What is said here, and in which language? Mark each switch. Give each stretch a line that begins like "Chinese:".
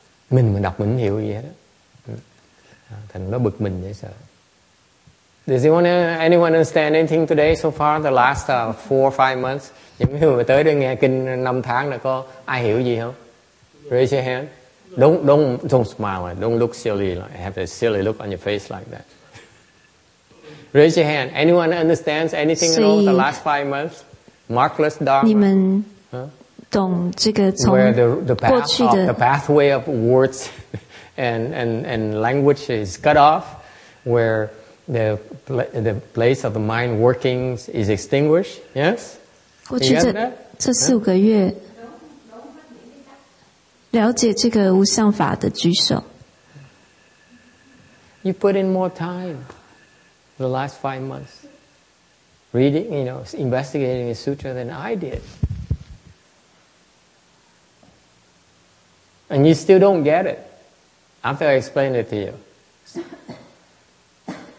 Vietnamese: Mình mà đọc mình hiểu gì hết, thành nó bực mình dễ sợ.
English: Does anyone understand anything today so far, the last 4 or 5 months?
Vietnamese: Những người mà tới đây nghe kinh 5 tháng là có ai hiểu gì không?
English: Raise your hand. Don't smile. Don't look silly. Like, have a silly look on your face like that. Raise your hand. Anyone understands anything at all the last 5 months? Markless Dharma.
Chinese: 你们懂这个从过去的...
English: Where the pathway of words and language is cut off, where... The place of the mind workings is extinguished. Yes.
Chinese: 过去这四五个月， 了解这个无相法的举手。
English: You put in more time. The last 5 months, reading, you know, investigating the sutra than I did. And you still don't get it. After I explained it to you.